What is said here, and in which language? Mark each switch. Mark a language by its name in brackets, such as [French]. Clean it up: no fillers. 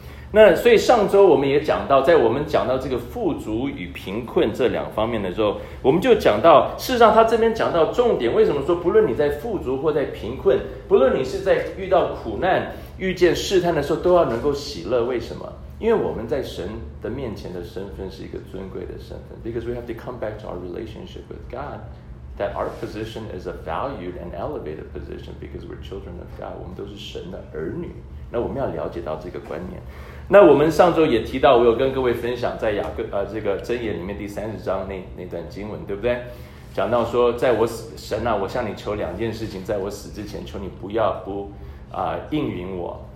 [Chinese] 那所以上周我们也讲到，在我们讲到这个富足与贫困这两方面的时候，我们就讲到，事实上他这边讲到重点，为什么说不论你在富足或在贫困，不论你是在遇到苦难、遇见试探的时候，都要能够喜乐？为什么？因为我们在神的面前的身份是一个尊贵的身份。 [English] Because we have to come back to our relationship with God. That our position is a valued and elevated position because we're children of God. [Chinese] 我们都是神的儿女，那我们要了解到这个观念。那我们上周也提到，我有跟各位分享在雅各这个箴言里面第30章那段经文，对不对？讲到说，在我死神啊，我向你求两件事情，在我死之前，求你不要不应允我。